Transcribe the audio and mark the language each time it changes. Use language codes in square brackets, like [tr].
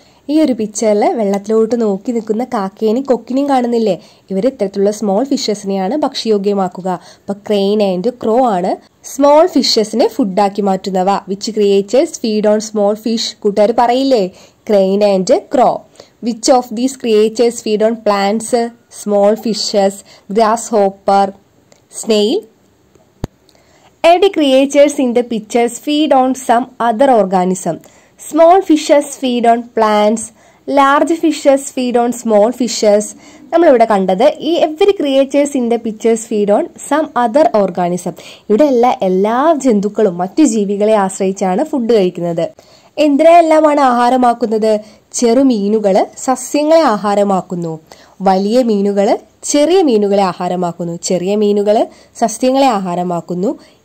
[ml] ഈ ഒരു പിക്ചറിൽ വെള്ളത്തിലോട്ട് നോക്കി നിൽക്കുന്ന കാക്കേനെയും കൊക്കിനെയും കാണുന്നില്ലേ, ഇവർ ഇത്തരത്തിലുള്ള സ്മോൾ ഫിഷസിനെയാണ് ഭക്ഷ്യയോഗ്യമാക്കുക. അപ്പോൾ ക്രെയിൻ ആൻഡ് ക്രോ ആണ് small ഫിഷസിനെ ഫുഡാക്കി മാറ്റുന്നവ. [en] Which creatures feed on small fish? [ml] കൂട്ടുകാർ പറയില്ലേ, [en] crane and crow. Which of these creatures feed on plants, small fishes, grasshopper, snail? Eddy creatures in the pictures feed on some other organism. Small fishes feed on plants. Large fishes feed on small fishes. [ml] നമ്മൾ ഇവിടെ കണ്ടത് ഈ [en] Every creatures in the pictures feed on some other organism. [ml] ഇവിടെ എല്ലാ ജന്തുക്കളും മറ്റു ജീവികളെ ആശ്രയിച്ചാണ് ഫുഡ് കഴിക്കുന്നത്. എന്തിനെയെല്ലാമാണ് ആഹാരമാക്കുന്നത്? ചെറുമീനുകൾ സസ്യങ്ങളെ ആഹാരമാക്കുന്നു. വലിയ മീനുകൾ ചെറിയ മീനുകളെ ആഹാരമാക്കുന്നു. ചെറിയ മീനുകൾ സസ്യങ്ങളെ ആഹാരമാക്കുന്നു.